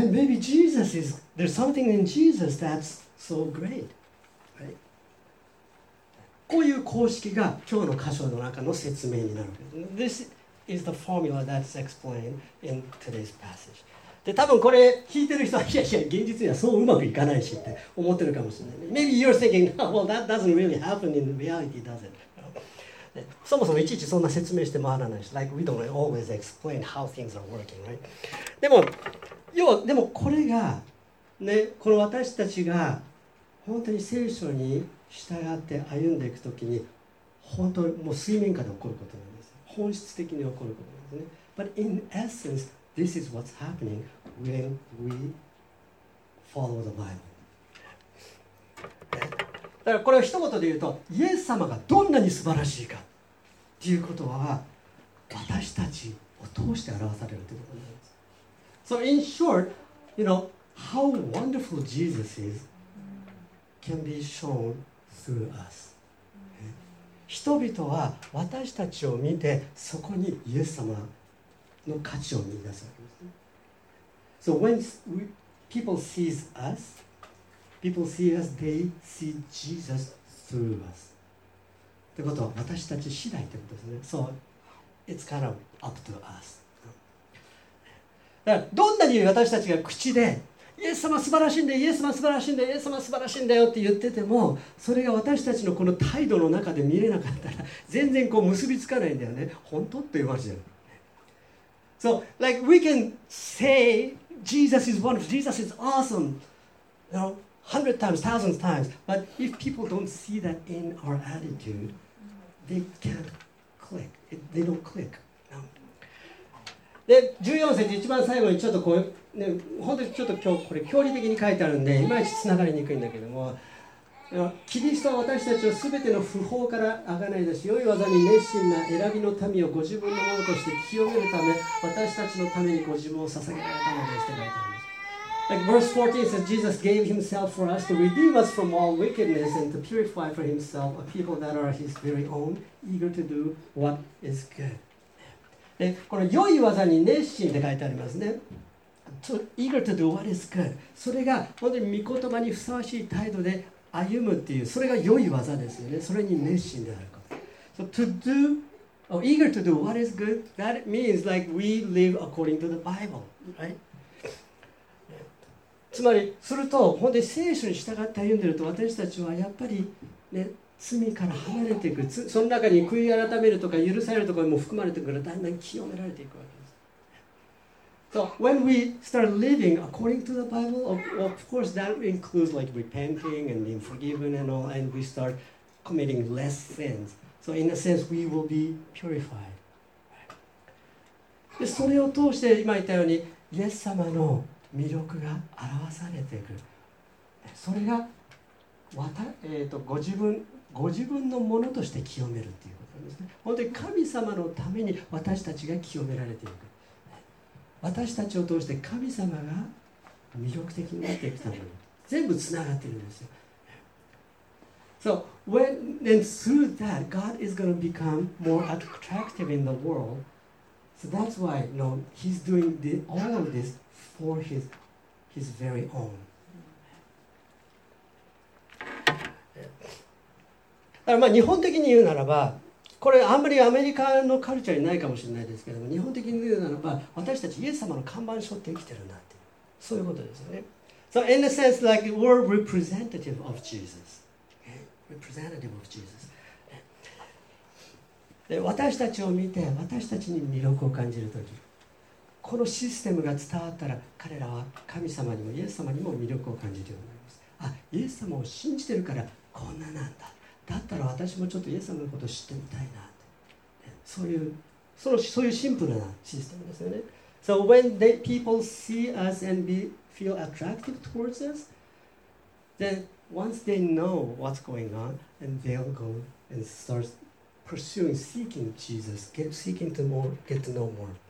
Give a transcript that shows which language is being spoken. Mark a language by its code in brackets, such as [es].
[en] And then maybe Jesus is, there's something in Jesus that's so great. [ja] こういう公式が今日の箇所の中の説明になるわけです。 [en] This is the formula that's explained in today's passage. [ja] で多分これ聞いてる人は、いやいや現実にはそううまくいかないしって思ってるかもしれない。 [en] Maybe you're thinking, well, that doesn't really happen in reality, does it? [ja] そもそもいちいちそんな説明して回らないし、 [en] like we don't always explain how things are working, right? [ja] でも要はでもこれがね、この私たちが本当に聖書に従って歩んでいくときに、本当にもう水面下で起こることなんです。本質的に起こることなんですね。 [en] But in essence,This is what's happening when we follow the Bible. [ja] だからこれを一言で言うと、イエス様がどんなに素晴らしいかということは、私たちを通して表されるということなんです。 [en] So in short, you know, how wonderful Jesus is can be shown through us. [ja] 人々は私たちを見て、そこにイエス様の価値を見出すわけですね。 [en] So when people see us, people see us, they see Jesus through us. [ja] ってことは私たち次第ってことですね。 [en] So it's kind of up to us. [ja] だからどんなに私たちが口でイエス様素晴らしいんだよ、イエス様素晴らしいんだよ、イエス様素晴らしいんだよって言ってても、それが私たちのこの態度の中で見れなかったら、全然こう結びつかないんだよね。本当って言われちゃう。 [en] So, like we can say Jesus is wonderful, Jesus is awesome, you know, 100 times, 1,000 times. But if people don't see that in our attitude, they can't click. They don't click. [ja] で、14節一番最後にちょっとこう、ね、本当にちょっと今日これ距離的に書いてあるんでいまいちつながりにくいんだけども、キリストは私たちを全ての不法から贖い出し、良い技に熱心な選びの民をご自分のものとして清めるため、私たちのためにご自分を捧げられたのですって書いてあります。 [en] Like verse 14 says, Jesus gave himself for us to redeem us from all wickedness and to purify for himself a people that are his very own, eager to do what is good. [ja] でこの良い技に熱心って書いてありますね。 [en] To, eager to do what is good. [ja] それが本当に御言葉にふさわしい態度で歩むっていう、それが良い技ですよね。それに熱心であること。 [en] So to do, or eager to do what is good, that means like we live according to the Bible, right? [ja] つまり、すると本当に聖書に従って歩んでると私たちはやっぱりね、罪から離れていく、その中に悔い改めるとか許されるとかも含まれてくるから、だんだん清められていくわけです。 [en] So when we start living according to the Bible, of course that includes like repenting and being forgiven and all, and we start committing less sins. So in a sense, we will be purified. [ja] でそれを通して今言ったようにイエス様の魅力が表されていく。それがご自分ご自分のものとして清めるっていうことですね。本当に神様のために私たちが清められていく。私たちを通して神様が魅力的になってきたもの。全部つながってるんですよ。 [en] So, when and through that, God is going to become more attractive in the world. So that's why, no, he's doing the, all of this for his very own. [ja] だからまあ日本的に言うならば、これあんまりアメリカのカルチャーにないかもしれないですけども、日本的に言うならば、私たちイエス様の看板書って生きてるなって、そういうことですよね。 [en] So in a sense, like we're representative of Jesus. Representative of Jesus. [ja] で私たちを見て、私たちに魅力を感じるとき、このシステムが伝わったら、彼らは神様にもイエス様にも魅力を感じるようになります。あ、イエス様を信じてるからこんななんだ。だったら私もちょっとイエス様のことを知ってみたいなって、そういうそういうシンプルなシステムですよね。 [en] So when the people see us and feel attractive towards us, then once they know what's going on, and they'll go and start pursuing, seeking Jesus, get to know more.